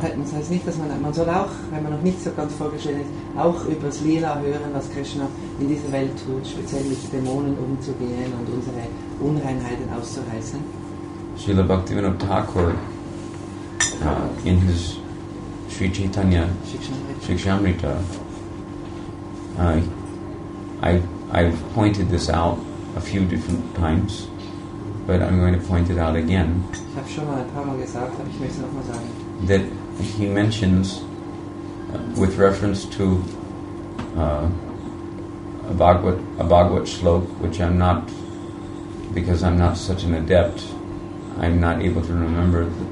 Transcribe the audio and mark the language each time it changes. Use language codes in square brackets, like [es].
[de] Das heißt nicht, dass man soll auch, wenn man noch nicht so ganz vorgestellt ist, auch über das Lila hören, was Krishna in dieser Welt tut, speziell mit Dämonen umzugehen und unsere Unreinheiten auszureißen. [en] Srila Bhaktivinoda Thakur, in his Sri Chaitanya Shikshamrita, I've pointed this out a few different times, but I'm going to point it out again. [de] Ich habe schon mal ein paar Mal gesagt, aber ich möchte es nochmal sagen. [en] That he mentions, with reference to a Bhagavat shloka, which I'm not, because I'm not such an adept, I'm not able to remember.